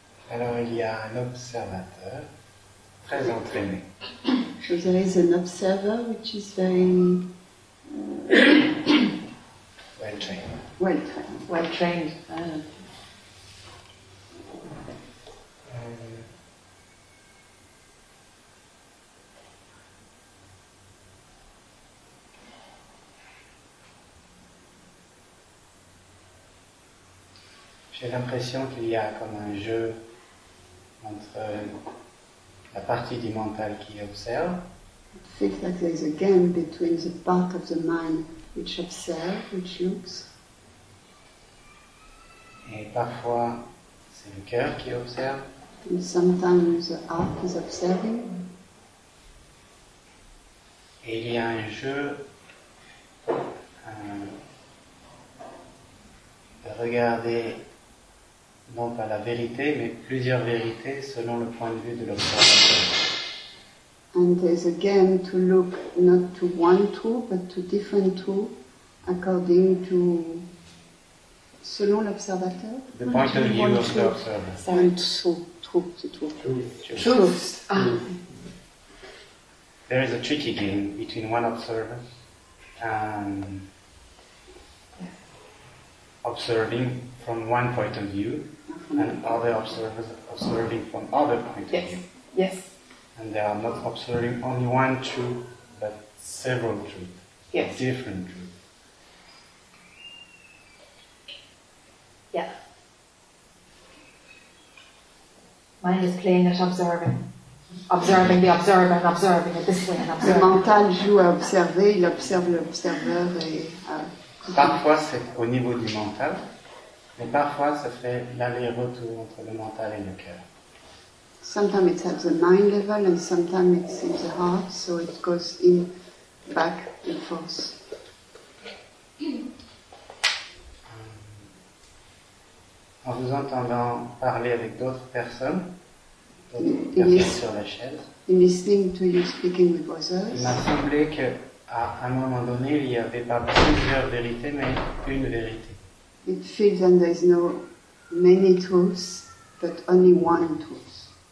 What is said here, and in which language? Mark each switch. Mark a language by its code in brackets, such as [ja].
[fr] Alors, il y a un observateur très entraîné. [en] So there is an observer which is very well trained. Well trained. [fr] J'ai l'impression qu'il y a comme un jeu entre la partie du mental qui observe. [en] It feels like there's a game between the part of the mind which observes, which looks. [fr] Et parfois, c'est le cœur qui observe. [en] And sometimes the heart is observing. [fr] Et il y a un jeu de regarder non pas la vérité, mais plusieurs vérités selon le point de vue de l'observateur. [en] And there's a game to look not to one truth, but to different truths, according to [fr] selon l'observateur. [en] The point of view of the observer. Truth. There is a tricky game between one observer and observing from one point of view. And other observers observing from other point of view. Yes. And they are not observing only one truth, but several truths. Yes. Different truths. Yeah. Mind is playing at observing. Observing the observer and observing it this way and observing. [fr] Le mental joue à observer, il observe l'observeur et. Parfois c'est au niveau du mental. Mais parfois, ça fait l'aller-retour entre le mental et le cœur. [en] Sometimes it's at the mind level, and sometimes it's in the heart, so it goes in, back, and forth. [fr] En vous entendant parler avec d'autres personnes sur la chaise, [en] in listening to you speaking with others, [fr] il m'a semblé qu'à un moment donné, il n'y avait pas plusieurs vérités, mais une vérité. [en] It feels that there is no many truths, but only one truth.